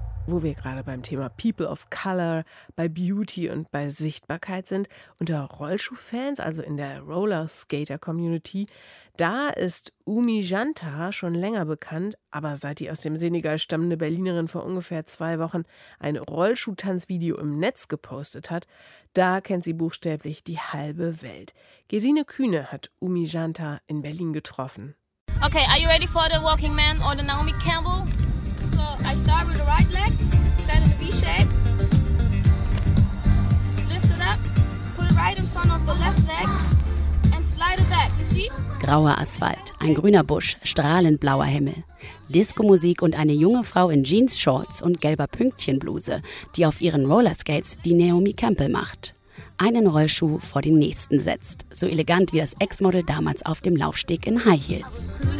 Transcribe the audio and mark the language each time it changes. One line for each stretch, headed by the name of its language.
German: Wo wir gerade beim Thema People of Color, bei Beauty und bei Sichtbarkeit sind, unter Rollschuhfans, also in der Rollerskater-Community, da ist Umi Janta schon länger bekannt, aber seit die aus dem Senegal stammende Berlinerin vor ungefähr 2 Wochen ein Rollschuh-Tanzvideo im Netz gepostet hat, da kennt sie buchstäblich die halbe Welt. Gesine Kühne hat Umi Janta in Berlin getroffen.
English: Okay, are you ready for the Walking Man or the Naomi Campbell? I start with the right leg, stand in the V-shape, lift it up, put it right in front of the left leg and slide it back, you see?
German: Grauer Asphalt, ein grüner Busch, strahlend blauer Himmel. Disco-Musik und eine junge Frau in Jeans-Shorts und gelber Pünktchenbluse, die auf ihren Rollerskates die Naomi Campbell macht. Einen Rollschuh vor den nächsten setzt, so elegant wie das Ex-Model damals auf dem Laufsteg in High Heels.